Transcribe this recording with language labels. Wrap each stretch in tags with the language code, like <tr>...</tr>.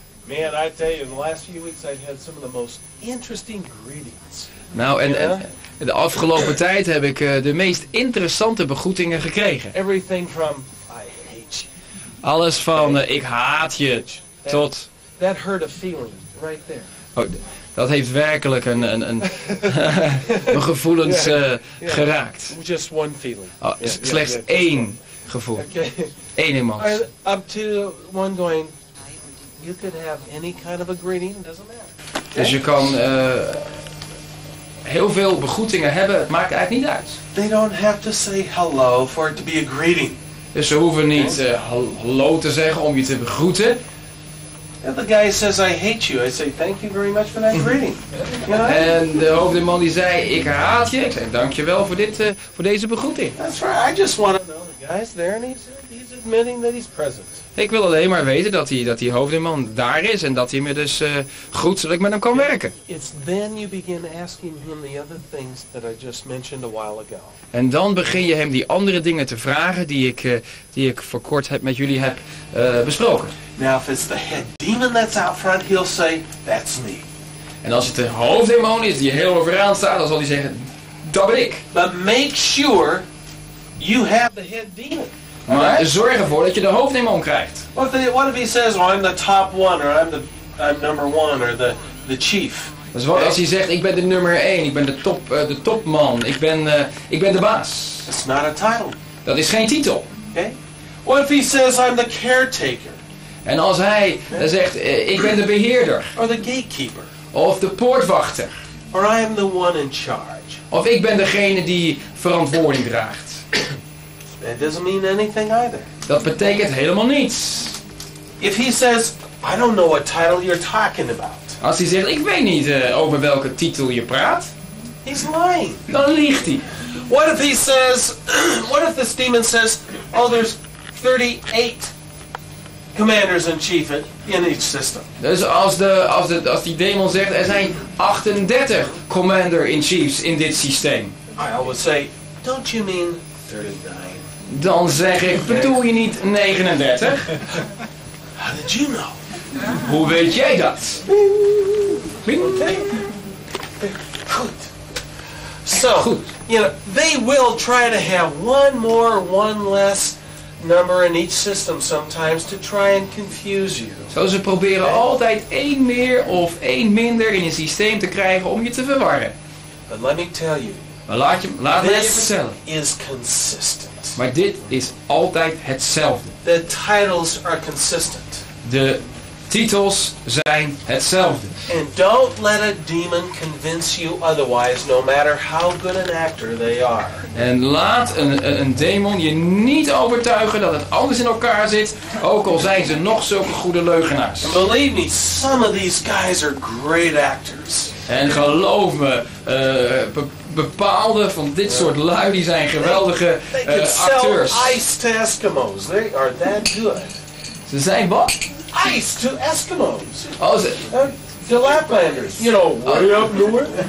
<en>Man, I tell you, in the last few weeks I've had some of the most interesting greetings.</en> <nl>Nou, en de afgelopen tijd heb ik de meest interessante begroetingen gekregen.</nl> <en>Everything from I hate you.</en> <nl>Alles van ik haat je tot.</nl> <en>That hurt a feeling right there.</en> <nl>Oh, dat heeft werkelijk een gevoelens geraakt.</nl> <en>Just one feeling.</en> <nl>Oh, slechts één gevoel.</nl> <en>Okay.</en> <nl>Eén emotie.</nl> <en>Up to one going. You could have any kind of a greeting, doesn't matter.</en> <nl>Okay. Dus je kan heel veel begroetingen hebben, het maakt eigenlijk niet uit.</nl> <en>They don't have to say hello for it to be a greeting.</en> <nl>Dus ze hoeven niet hallo te zeggen om je te begroeten.</nl> <en>And the guy says I hate you. I say thank you very much for that greeting.</en> <nl>En de hoofdman die zei ik haat je. Ik zei dankjewel voor dit voor deze begroeting.</nl> <en>That's right. I just want to know the guy's there and he's admitting that he's present.</en> <nl>Ik wil alleen maar weten dat die hoofdeman daar is en dat hij me dus goed dat ik met hem kan werken.</nl> <en>It's then you begin asking him the other things that I just mentioned a while ago.</en> <nl>En dan begin je hem die andere dingen te vragen die ik voor kort met jullie heb besproken.</nl> <en>Now if it's the head demon that's out front, he'll say, that's me.</en> <nl>En als het de hoofddemon is die heel overaan staat, dan zal hij zeggen, dat ben ik.</nl> <en>But make sure you have the head demon.</en> <nl>Maar zorg ervoor dat je de hoofddemon krijgt.</nl> <en>What if he says, well, I'm the top one, or I'm number one, or the chief.</en> <nl>Dus wat als hij zegt, ik ben de nummer 1, ik ben de topman, ik ben de baas.</nl> <en>It's not a title.</en> <nl>Dat is geen titel.</nl> <en>Okay. What if he says, I'm the caretaker?</en> <nl>En als hij zegt, ik ben de beheerder.</nl> <en>Or the gatekeeper.</en> <nl>Of de poortwachter.</nl> <en>Or I am the one in charge.</en> <nl>Of ik ben degene die verantwoording draagt.</nl> <en>That doesn't mean anything either.</en> <nl>Dat betekent helemaal niets.</nl> <en>If he says, I don't know what title you're talking about.</en> <nl>Als hij zegt, ik weet niet over welke titel je praat.</nl> <en>He's lying.</en> <nl>Dan liegt hij.</nl> <en>What if he says, what if this demon says, oh, there's 38 commanders in chief in each system.</en> <nl>Dus als die demon zegt, er zijn 38 commander in chiefs in dit systeem.</nl> <en>I always say, don't you mean 39?</en> <nl>Dan zeg ik, bedoel je niet 39?</nl> <en>How did you know?</en> <nl>Hoe weet jij dat? Bing. Okay. Goed.</nl> <en>So, goed. You know, they will try to have one more, one less number in each system sometimes to try and confuse you.</en> <nl>Zo, ze proberen altijd één meer of één minder in je systeem te krijgen om je te verwarren.</nl> <en>But let me tell you.</en> <nl>Maar laat me het vertellen.</nl> <en>Is consistent.</en> <nl>Maar dit is altijd hetzelfde.</nl> <en>The titles are consistent.</en> <nl>De titels zijn hetzelfde.</nl> <en>And don't let a demon convince you otherwise, no matter how good an actor they are.</en> <nl>En laat een demon je niet overtuigen dat het anders in elkaar zit, ook al zijn ze nog zulke goede leugenaars.</nl> <en>And believe me, some of these guys are great actors.</en> <nl>En geloof me, bepaalde van dit soort lui die zijn geweldige acteurs.</nl> <en>They can sell ice to Eskimos. They are that good.</en> <nl>Ze zijn wat?</nl> <en>Ice to Eskimos.</en> <nl>Oh, ze. De Laplanders.</nl> <en>You know, way up north.</en>